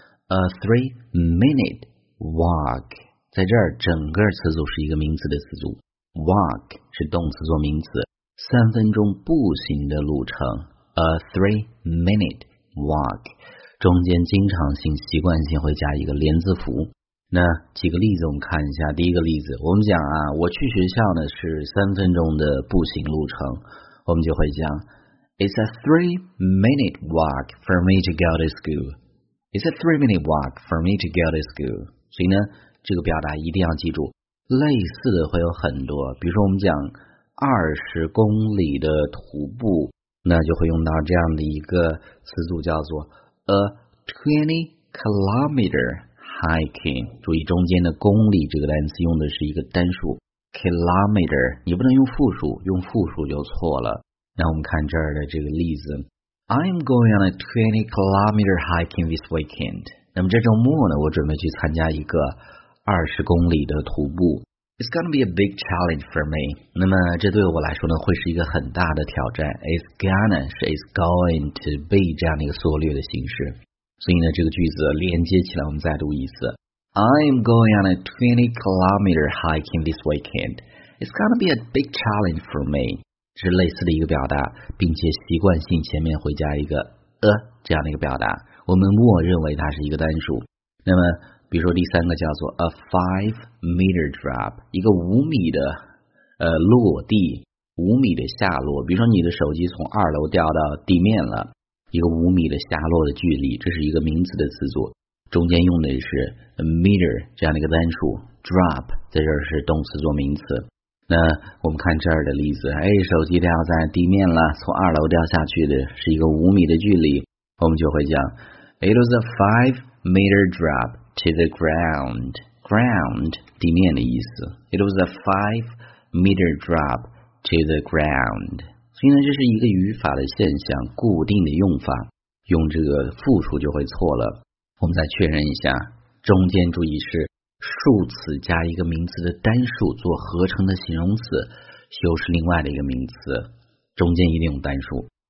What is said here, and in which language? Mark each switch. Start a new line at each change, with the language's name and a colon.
English: A three-minute walk，
Chinese: 在这儿整个词组是一个名词的词组 ，walk 是动词做名词，三分钟步行的路程 ，
English: a three-minute walk，
Chinese: 中间经常性、习惯性会加一个连字符。那几个例子我们看一下，第一个例子，我们讲啊，我去学校呢是三分钟的步行路程，我们就会讲 ，
English: It's a three-minute walk for me to go to school。 It's a three-minute walk for me to go to school。
Chinese: 所以呢，这个表达一定要记住，类似的会有很多，比如说我们讲20公里的徒步，那就会用到这样的一个词组，叫做
English: a 20 kilometer hiking。
Chinese: 注意中间的公里这个单词用的是一个单数 kilometer， 你不能用复数，用复数就错了。那我们看这儿的这个例子，
English: I'm going on a 20 kilometer hiking this weekend。
Chinese: 那么这周末呢，我准备去参加一个20公里的徒步。
English: It's gonna be a big challenge for me。
Chinese: 那么这对我来说呢，会是一个很大的挑战。
English: It's gonna
Chinese: 是
English: It's going to be
Chinese: 这样的一个缩略的形式。所以呢，这个句子连接起来，我们再读一次。
English: I'm going on a 20 kilometer hiking this weekend。 It's gonna be a big challenge for me。
Chinese: 是类似的一个表达，并且习惯性前面会加一个这样的一个表达，我们默认为它是一个单数。那么比如说第三个叫做
English: a 5-meter drop，
Chinese: 一个5米的落地，5米的下落，比如说你的手机从2楼掉到地面了，一个5米的下落的距离，这是一个名词的词组，中间用的是 meter 这样的一个单数， drop 在这儿是动词做名词。那我们看这儿的例子，哎，手机掉在地面了，从2楼掉下去的是一个5米的距离，我们就会讲 ，
English: It was a 5-meter drop to the ground。 ground
Chinese: 地面的意思
English: ，It was a 5-meter drop to the ground。
Chinese: 所以呢，这是一个语法的现象，固定的用法，用这个复数就会错了。我们再确认一下，中间注意是。数词加一个名词的单数做合成的形容词，修饰另外的一个名词，中间一定用单数。